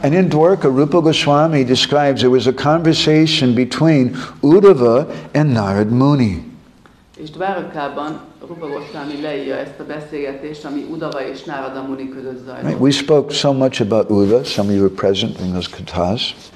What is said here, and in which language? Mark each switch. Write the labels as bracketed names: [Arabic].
[English] And in Dwarka, Rupa Goswami describes there was a conversation between Uddhava and Narad Muni. [Hungarian] És Dwarkában Rupa Goswami leírja ezt a beszélgetést, ami Uddhava és Narad Muni között zajlott. [English] Right. We spoke so much about Uddhava. Some of you were present in those katas.